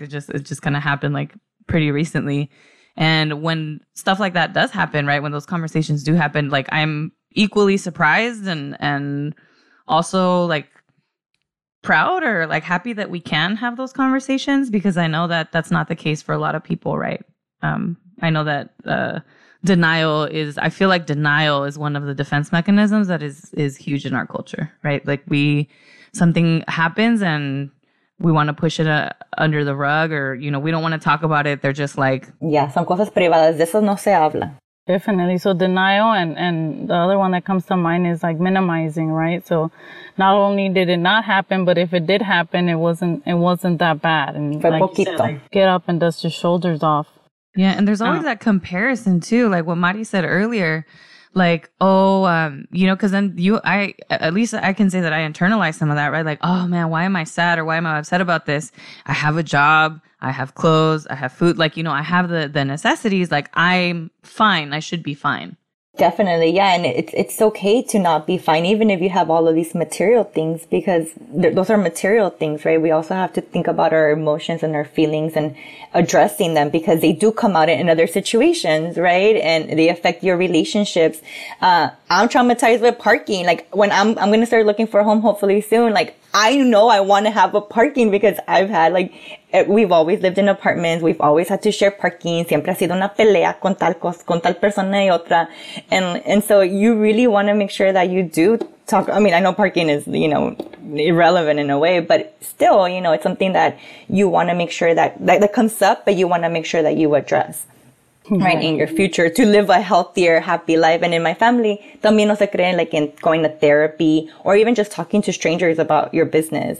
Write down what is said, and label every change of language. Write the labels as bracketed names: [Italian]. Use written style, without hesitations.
[English] It just kind of happened like pretty recently. And when stuff like that does happen, right, when those conversations do happen, like I'm equally surprised and also like proud or like happy that we can have those conversations, because I know that that's not the case for a lot of people. Right. I know that denial is one of the defense mechanisms that is huge in our culture. Right. Like something happens and we want to push it under the rug, or, you know, we don't want to talk about it. They're just like, yeah, [Spanish] son cosas privadas. De eso no se habla. [English] Definitely. So denial and the other one that comes to mind is like minimizing, right? So not only did it not happen, but if it did happen, it wasn't that bad. And [Spanish] fue [English] like, [Spanish] poquito. [English] You said, like, get up and dust your shoulders off. Yeah. And there's always that comparison too. Like what Mari said earlier, like, oh, you know, because then you, I, at least I can say that I internalize some of that, right? Like, oh man, why am I sad or why am I upset about this? I have a job, I have clothes, I have food, like, you know, I have the necessities, like I'm fine, I should be fine. Definitely, yeah. And it's okay to not be fine, even if you have all of these material things, because those are material things, right? We also have to think about our emotions and our feelings and addressing them, because they do come out in other situations, right? And they affect your relationships. I'm traumatized with parking. Like, when I'm going to start looking for a home hopefully soon, like, I know I want to have a parking, because I've had, like, we've always lived in apartments. We've always had to share parking. [Spanish] Siempre ha sido una pelea con tal cosa, con tal persona y otra. [English] And so you really want to make sure that you do talk. I mean, I know parking is, you know, irrelevant in a way, but still, you know, it's something that you want to make sure that comes up, but you want to make sure that you address. Right, in your future, to live a healthier, happy life. And in my family, [Spanish] también no se creen, [English] like, in going to therapy or even just talking to strangers about your business.